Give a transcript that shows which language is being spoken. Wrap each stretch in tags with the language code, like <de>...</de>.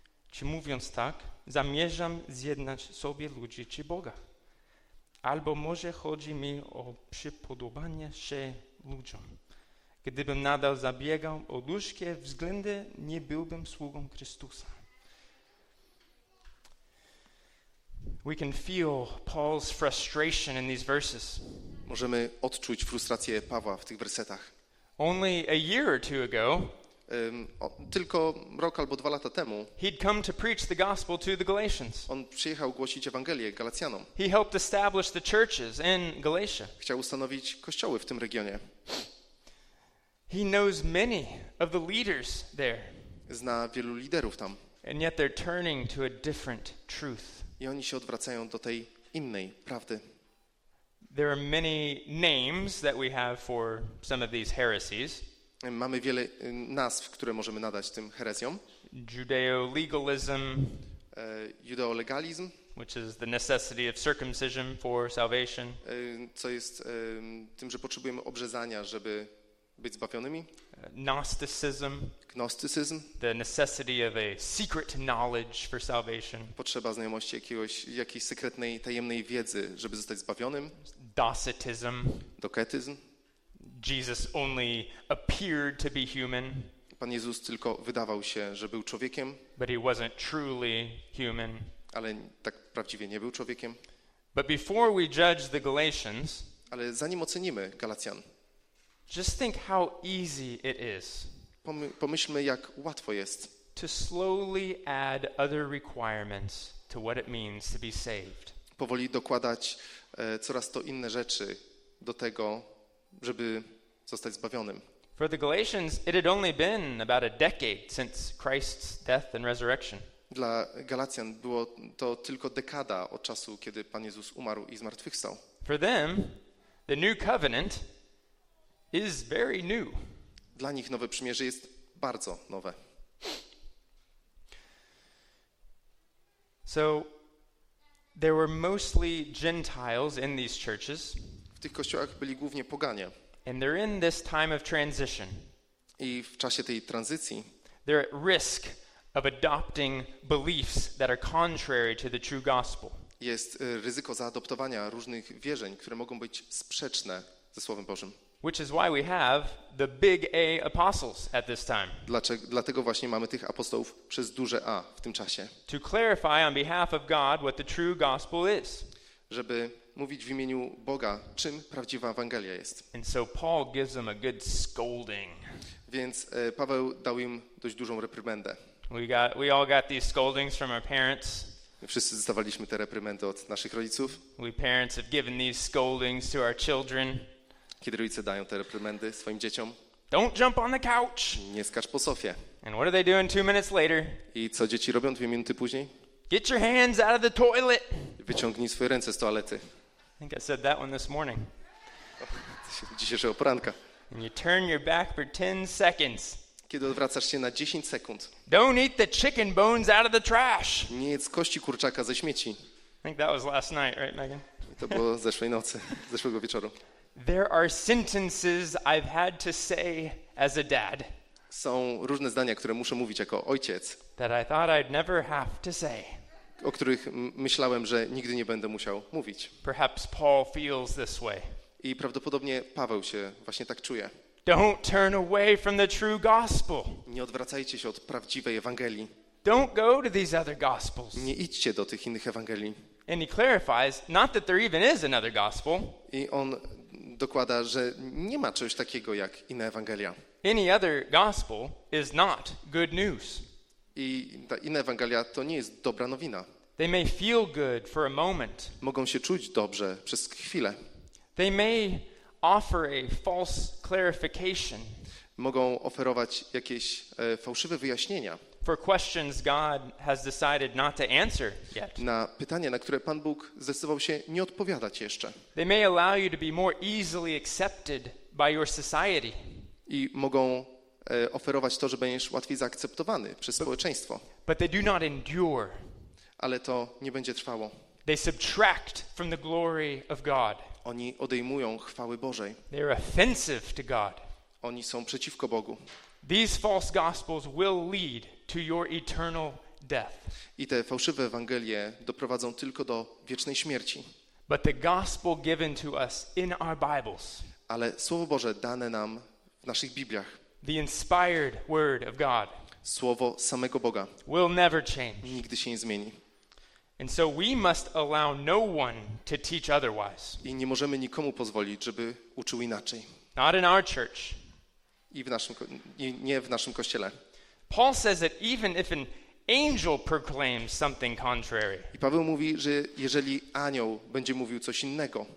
<pl>Czy mówiąc tak, zamierzam zjednać sobie ludzi czy Boga? Albo może chodzi mi o przypodobanie się ludziom? Gdybym nadal zabiegał o ludzkie względy, nie byłbym sługą Chrystusa.</pl> <en>We can feel Paul's frustration in these verses.</en> <pl>Możemy odczuć frustrację Pawła w tych wersetach.</pl> <en>Only a year or two ago,</en> <pl>tylko rok albo dwa lata temu,</pl> <en>he'd come to preach the gospel to the Galatians.</en> <pl>On przyjechał głosić Ewangelię Galacjanom.</pl> <en>He helped establish the churches in Galatia.</en> <pl>Chciał ustanowić kościoły w tym regionie.</pl> <en>He knows many of the leaders there.</en> <pl>Zna wielu liderów tam.</pl> <en>And yet they're turning to a different truth.</en> <pl>I oni się odwracają do tej innej prawdy.</pl> <en>There are many names that we have for some of these heresies.</en> <pl>Mamy wiele nazw, które możemy nadać tym herezjom.</pl> <en>Judeo-legalism.</en> <pl>Judeo-legalizm.</pl> <en>Which is the necessity of circumcision for salvation.</en> <pl>Co jest tym, że potrzebujemy obrzezania, żeby być zbawionymi.</pl> <en>Gnosticism.</en> <pl>Gnosticism.</pl> <en>The necessity of a secret knowledge for salvation.</en> <pl>Potrzeba znajomości jakiejś sekretnej, tajemnej wiedzy, żeby zostać zbawionym.</pl> <en>Docetism.</en> <pl>Doketyzm.</pl> <en>Jesus only appeared to be human.</en> <pl>Pan Jezus tylko wydawał się, że był człowiekiem.</pl> <en>But he wasn't truly human.</en> <pl>Ale tak prawdziwie nie był człowiekiem.</pl> <en>But before we judge the Galatians,</en> <pl>ale zanim ocenimy Galacjan,</pl> <en>just think how easy it is.</en> <pl>Pomyślmy, jak łatwo jest</pl> <en>to slowly add other requirements to what it means to be saved.</en> <pl>Powoli dokładać coraz to inne rzeczy do tego, żeby zostać zbawionym.</pl> <en>For the Galatians, it had only been about a decade since Christ's death and resurrection.</en> <pl>Dla Galacjan było to tylko dekada od czasu, kiedy Pan Jezus umarł i zmartwychwstał.</pl> <en>For them, the new covenant is very new.</en> <pl>Dla nich nowe przymierze jest bardzo nowe.</pl> <en>So there were mostly Gentiles in these churches.</en> <pl>W tych kościołach byli głównie poganie.</pl> <en>And they're in this time of transition.</en> <pl>I w czasie tej tranzycji</pl> <en>they're at risk of adopting beliefs that are contrary to the true gospel.</en> <pl>Jest ryzyko zaadoptowania różnych wierzeń, które mogą być sprzeczne ze Słowem Bożym.</pl> <en>Which is why we have the big A apostles at this time.</en> <pl>Dlatego właśnie mamy tych apostołów przez duże A w tym czasie.</pl> <en>To clarify on behalf of God what the true gospel is.</en> <pl>Żeby mówić w imieniu Boga, czym prawdziwa Ewangelia jest.</pl> <en>And so Paul gives them a good scolding.</en> <pl>Więc Paweł dał im dość dużą reprymendę.</pl> <en>We all got these scoldings from our parents.</en> <pl>Wszyscy dostawaliśmy te reprymendy od naszych rodziców.</pl> <en>We parents have given these scoldings to our children.</en> <pl>Kiedy rodzice dają te reprymendy swoim dzieciom.</pl> <en>Don't jump on the couch.</en> <pl>Nie skacz po sofie.</pl> <en>And what are they doing 2 minutes later?</en> <pl>I co dzieci robią 2 minuty później?</pl> <en>Get your hands out of the toilet.</en> <pl>Wyciągnij swoje ręce z toalety.</pl> <en>I think I said that one this morning.</en> <pl>Dzisiejszego poranka.</pl> <en>And you turn your back for 10 seconds.</en> <pl>Kiedy odwracasz się na 10 sekund.</pl> <en>Don't eat the chicken bones out of the trash.</en> <pl>Nie jedz kości kurczaka ze śmieci.</pl> <en>I think that was last night, right, Megan?</en> <pl>To było zeszłej nocy, zeszłego wieczoru.</pl> <en>There are sentences I've had to say as a dad.</en> <pl>Są różne zdania, które muszę mówić jako ojciec.</pl> <en>That I thought I'd never have to say.</en> <pl>O których myślałem, że nigdy nie będę musiał mówić.</pl> <en>Perhaps Paul feels this way.</en> <pl>I prawdopodobnie Paweł się właśnie tak czuje.</pl> <en>Don't turn away from the true gospel.</en> <pl>Nie odwracajcie się od prawdziwej Ewangelii.</pl> <en>Don't go to these other gospels.</en> <pl>Nie idźcie do tych innych Ewangelii.</pl> <en>And he clarifies, not that there even is another gospel.</en> <pl>I on dokłada, że nie ma czegoś takiego jak inna Ewangelia.</pl> <en>Any other gospel is not good news.</en> <pl>I ta inna Ewangelia to nie jest dobra nowina.</pl> <en>They may feel good for a moment.</en> <pl>Mogą się czuć dobrze przez chwilę.</pl> <en>They may offer a false clarification.</en> <pl>Mogą oferować jakieś fałszywe wyjaśnienia.</pl> <en>For questions God has decided not to answer yet.</en> <pl>Na pytania, na które Pan Bóg zdecydował się nie odpowiadać jeszcze.</pl> <en>They may allow you to be more easily accepted by your society.</en> <pl>I mogą oferować to, że będziesz łatwiej zaakceptowany przez społeczeństwo.</pl> <en>But they do not endure.</en> <pl>Ale to nie będzie trwało.</pl> <en>They subtract from the glory of God.</en> <pl>Oni odejmują chwały Bożej.</pl> <en>They are offensive to God.</en> <pl>Oni są przeciwko Bogu.</pl> <en>These false gospels will lead to your eternal death.</en> <pl>I te fałszywe Ewangelie doprowadzą tylko do wiecznej śmierci.</pl> <en>But the gospel given to us in our Bibles.</en> <pl>Ale Słowo Boże dane nam w naszych Bibliach.</pl> <en>The inspired word of God.</en> <pl>Słowo samego Boga.</pl> <en>Will never change.</en> <pl>Nigdy się nie zmieni.</pl> <en>And so we must allow no one to teach otherwise.</en> <pl>I nie możemy nikomu pozwolić, żeby uczył inaczej.</pl> <en>Not in our church.</en> <pl>I w naszym, nie w naszym kościele.</pl> <en>Paul says that even if an angel proclaims something contrary.</en> <pl>I Paweł mówi, że jeżeli anioł będzie mówił coś innego,</pl>